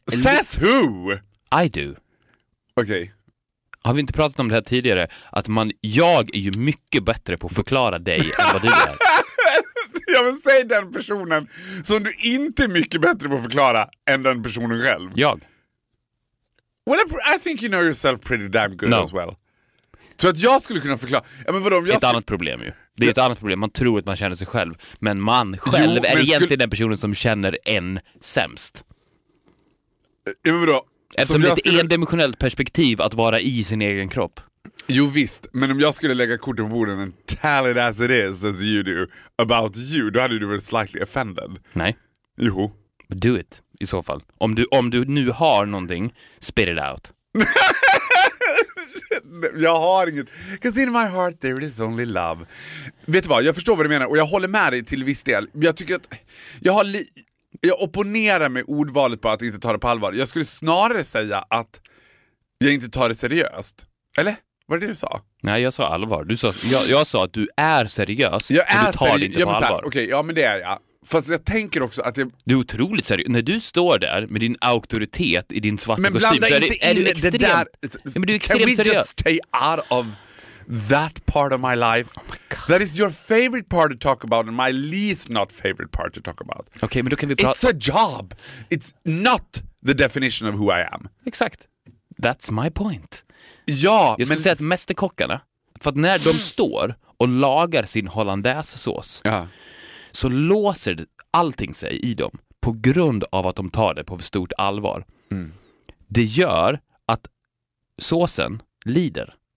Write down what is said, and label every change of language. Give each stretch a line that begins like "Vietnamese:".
English: says who? I do.
Swedish: Okej.
English: Okay.
Swedish: Har vi inte pratat om det här tidigare? Att jag är ju mycket bättre på att förklara dig än vad du är. Ja, Ja, men säg den personen som du inte är mycket bättre på att förklara än den personen själv. Jag.
English: Well, I think you know yourself pretty damn good as well.
Swedish: Så att jag skulle kunna förklara... Ja, men vadå, om jag ett annat problem ju. Det är ett annat problem. Man tror att man känner sig själv. Men man själv jo, men är egentligen den personen som känner en sämst. Ja, men vadå? Eftersom det är ett endimensionellt perspektiv att vara i sin egen kropp. Jo visst, men om jag skulle lägga kort på borden
English: and tell it as it is, as you do, about you,
Swedish: då hade du varit
English: slightly offended.
Swedish: Nej. Jo.
English: Do it,
Swedish: i så fall. Om du nu har någonting,
English: spit it out.
Swedish: Jag har inget.
English: Because in my heart there is only love.
Swedish: Vet du vad, jag förstår vad du menar och jag håller med dig till viss del. Jag tycker att jag har jag opponerar mig ordvalet på att inte ta det på allvar. Jag skulle snarare säga att jag inte tar det seriöst. Eller? Vad är det du sa? Nej, jag sa allvar. Du sa, jag sa att du är seriös. Jag är seriös. Du tar det inte på allvar. Okej, ja men det är jag. Fast jag tänker också att du är otroligt seriös. När du står där med din auktoritet i din svarta kostym så är du extremt... Där, ja, men du är extremt seriös.
English: Can we
Swedish: seriös?
English: Just stay out of that part of my life? Oh my God. That is your favorite part to talk about and my least not favorite part to talk about.
Swedish: Okej, men då kan vi prata...
English: It's a job. It's not the definition of who I am.
Swedish: Exakt.
English: That's my point.
Swedish: Ja, jag skulle säga att mästerkockarna, för att när de står och lagar sin hollandaisesås, ja, så låser allting sig i dem på grund av att de tar det på stort allvar. Mm. Det gör att såsen lider.